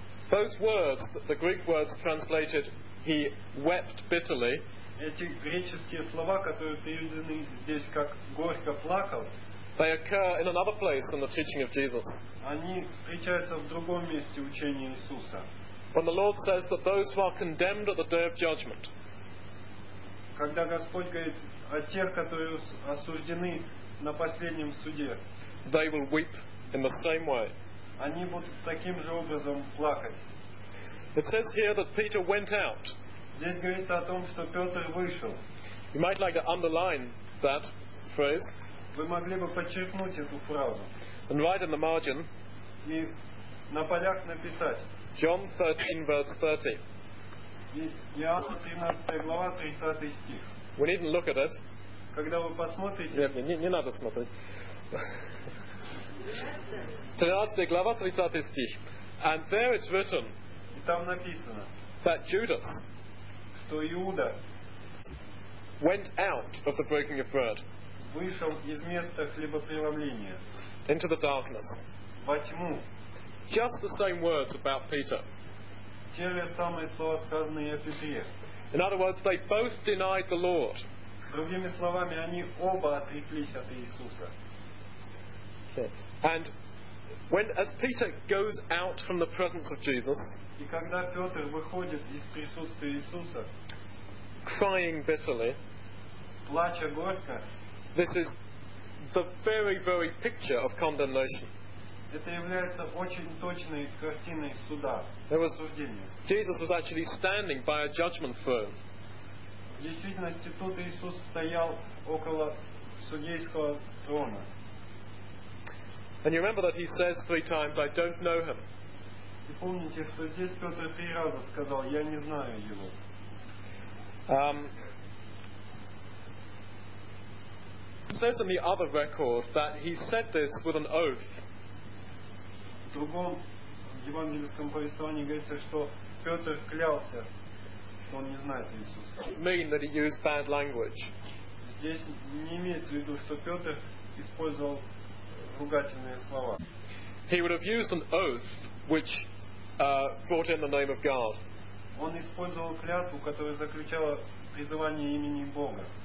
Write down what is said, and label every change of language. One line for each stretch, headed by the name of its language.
English: Those words, the Greek words translated, "he wept bitterly,"
Russian: эти греческие слова, которые переведены здесь как "горько плакал",
English: they occur in another place in the teaching of Jesus.
Russian: Они встречаются в другом месте учения Иисуса.
English: When the Lord says that those who are condemned at the day of judgment,
Russian: когда Господь говорит о тех, которые осуждены на последнем суде,
English: they will weep in the same way.
Russian: Они будут таким же образом плакать.
English: It says here that Peter went out.
Russian: Здесь говорится о том, что Петр вышел.
English: You might like to underline that phrase.
Russian: Вы могли бы подчеркнуть эту фразу.
English: And write in the margin.
Russian: И на полях написать.
English: John 13, verse 30.
Russian: Иоанна 13 глава 30 стих.
English: We needn't look at it.
Russian: Когда вы посмотрите. Не надо смотреть. 13 глава 30 стих.
English: And there it's written.
Russian: И там написано.
English: That Judas.
Russian: Что Иуда.
English: Went out of the breaking of bread.
Russian: Вышел из места хлебопреломления.
English: Into the darkness.
Russian: Во тьму.
English: Just the same words about Peter.
Russian: Те же самые слова, сказанные о Петре.
English: In other words, they both denied the Lord.
Russian: Другими словами, они оба отреклись от Иисуса.
English: And when, as Peter goes out from the presence of Jesus,
Russian: и когда Петр выходит из присутствия Иисуса,
English: crying bitterly,
Russian: плача горько,
English: this is the very, very picture of condemnation.
Russian: Это является очень точной картиной суда, осуждения.
English: Jesus was actually standing by a judgment throne.
Russian: В действительности тут Иисус стоял около судейского трона.
English: And you remember that he says three times, "I don't know him."
Russian: И помните, что здесь Петр три раза сказал, "Я не знаю его."
English: It says in the other record that he said this with an oath.
Russian: В другом евангельском повествовании говорится, что Петр клялся, что он не знает Иисуса.
English: Mean that he used bad language.
Russian: Здесь не имеется в виду, что Петр использовал ругательные слова.
English: He would have used an oath which brought in the name of God.
Russian: Он использовал клятву, которая заключала призывание имени Бога.